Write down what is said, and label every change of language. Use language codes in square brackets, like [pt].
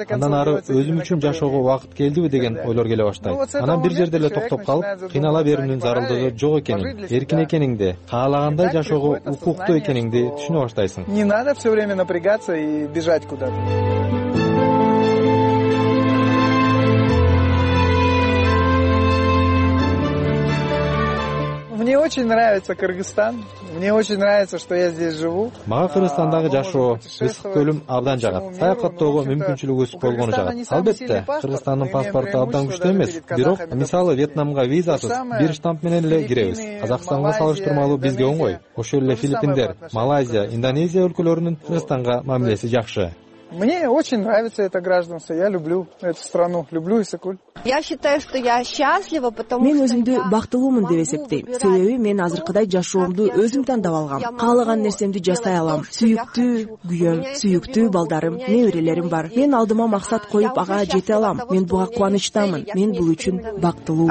[ky] Андан ары өзүм үчүн жашоого убакыт келдиби деген ойлор келе баштайт. Анан бир жерде эле токтоп калып, кыйнала берүүнүн зарылдыгы жок экенин, эркин экениңди, каалагандай жашоого укуктуу экениңди түшүнө баштайсың. [ru] Не надо все время напрягаться и бежать куда-то. Мне очень нравится Кыргызстан. Мне очень нравится, что я здесь живу. [ky] Мага Кыргызстандагы жашоо, ысык көлүм абдан жагат. Саякаттоого мүмкүнчүлүгүбүз болгону жагат. Албетте, Кыргызстандын паспорту абдан күчтүү эмес. Бирок, мисалы, Вьетнамга визасыз бир штамп менен эле киребиз. Казакстанга салыштырмалуу бизге оңой. Ошол эле Филиппиндер, Малайзия, Индонезия өлкөлөрүнүн Кыргызстанга мамилеси жакшы. [ru] Мне очень нравится это гражданство. Я люблю эту страну. Люблю Иссык-Куль. Я считаю, что я счастлива, потому [ky] мен өзүмдү бактылуумун деп эсептейм. Себеби мен азыркыдай жашоомду өзүм тандап алгам. Каалаган нерсемди жасай алам. Сүйүктүү күйөөм, сүйүктүү балдарым, неберелерим бар. Мен алдыма максат коюп ага жете алам. Мен буга кубанычтамын. Мен бул үчүн бактылуумун.